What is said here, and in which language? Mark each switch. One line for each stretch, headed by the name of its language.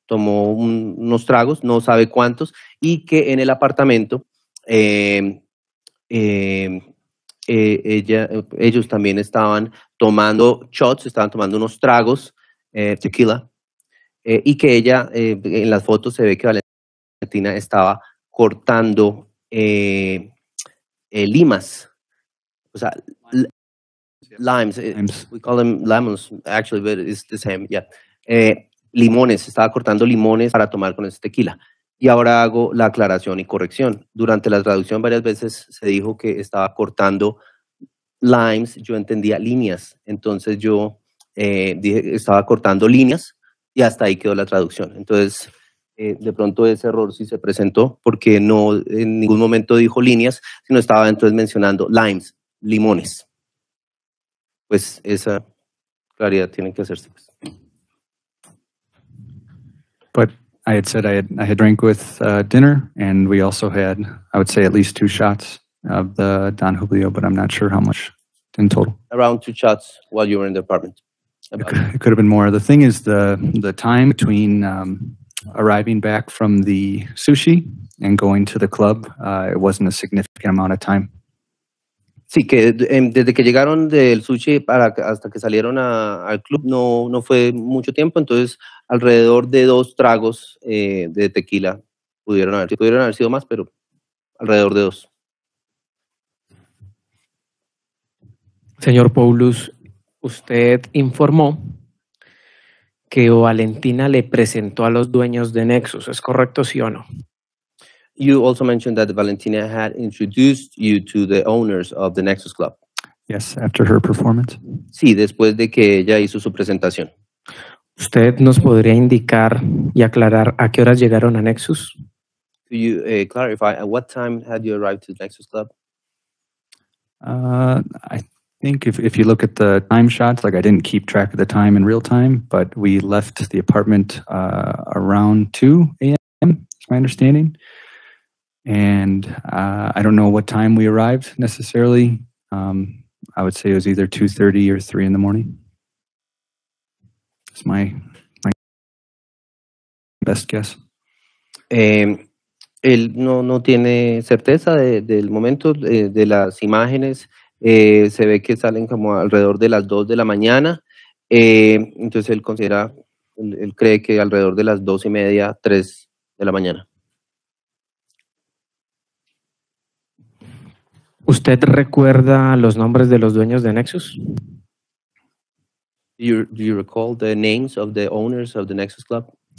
Spanish: tomó unos tragos, no sabe cuántos, y que en el apartamento ellos también estaban tomando shots, estaban tomando unos tragos, tequila, y que ella, en las fotos se ve que Valentina estaba cortando limas, o sea, limes.
English: We call them lemons, actually, but it's the same, yeah.
Spanish: Limones, estaba cortando limones para tomar con ese tequila. Y ahora hago la aclaración y corrección. Durante la traducción varias veces se dijo que estaba cortando limes, yo entendía líneas. Entonces yo dije, estaba cortando líneas y hasta ahí quedó la traducción. Entonces De pronto ese error sí se presentó porque no en ningún momento dijo líneas, sino estaba entonces mencionando limes, limones. Pues esa claridad tiene que hacerse.
English: But I had said I had drank with dinner and we also had, I would say at least 2 shots of the Don Julio, but I'm not sure how much in total. Around 2 shots while you were in the apartment. It could have been more. The thing is the time between arriving back from the sushi and going to the club, it wasn't a significant amount of time.
Spanish: Sí, que desde que llegaron del sushi para hasta que salieron al club no fue mucho tiempo, entonces alrededor de 2 tragos de tequila pudieron haber sido más, pero alrededor de 2. Señor Paulus, usted informó que Valentina le presentó a los dueños de Nexus. ¿Es correcto, sí o no?
English: You also mentioned that Valentina had introduced you to the owners of the Nexus Club. Yes, after her performance.
Spanish: Sí, después de que ella hizo su presentación. ¿Usted nos podría indicar y aclarar a qué horas llegaron a Nexus?
English: Could you clarify at what time had you arrived to the Nexus Club? I think if you look at the time shots, like I didn't keep track of the time in real time, but we left the apartment around 2 a.m., is my understanding. And I don't know what time we arrived necessarily. I would say it was either 2:30 or 3 in the morning. It's my best guess.
Spanish: Él no tiene certeza del momento, de las imágenes. Se ve que salen como alrededor de las 2 de la mañana, entonces él considera, él cree que alrededor de las 2:30, 3 de la mañana. ¿Usted recuerda los nombres de los dueños de Nexus?
English: Do you recall the names of the owners of the Nexus Club?